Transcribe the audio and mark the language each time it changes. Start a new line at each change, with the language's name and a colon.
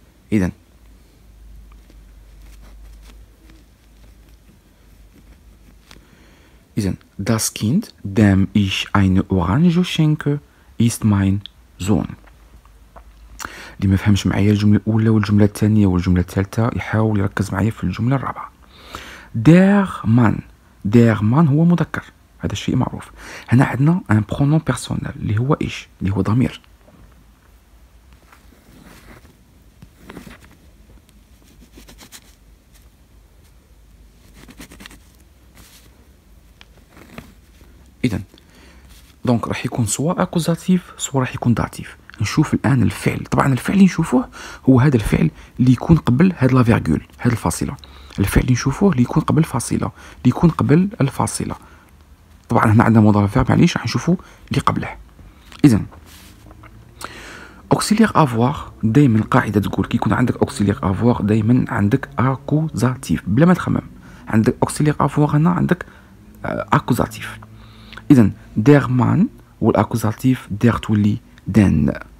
German: إذن Das Kind, dem ich eine Orange schenke, ist mein Sohn.
Arabic: اللي ما فهمش معايا الجملة الأولى والجملة الثانية والجملة الثالثة يحاول يركز معايا في الجملة الرابعة.
German: Der Mann. Der Mann
Arabic: هو مذكر. هذا الشيء معروف. هنا عندنا
French: un pronom personnel
Arabic: اللي هو إيش؟ اللي هو ضمير. إذن دونك راح يكون سواء اكوزاتيف سواء راح يكون داتيف. نشوف الان الفعل. طبعا الفعل اللي نشوفوه هو هذا الفعل اللي يكون قبل هذا لا فيرغول هذا الفاصله. الفعل اللي نشوفوه اللي يكون قبل الفاصله اللي يكون قبل الفاصله. طبعا هنا عندنا مضارع فعل معليش راح نشوفوا اللي قبله. إذن اوكسيليير افوار دائما قاعده تقول كي يكون عندك اوكسيليير افوار دائما عندك اكوزاتيف بلا ما تخمم. عندك اوكسيليير افوار هنا عندك اكوزاتيف. إذن
German: der Mann
Arabic: والأكوزاتيف der تولي den.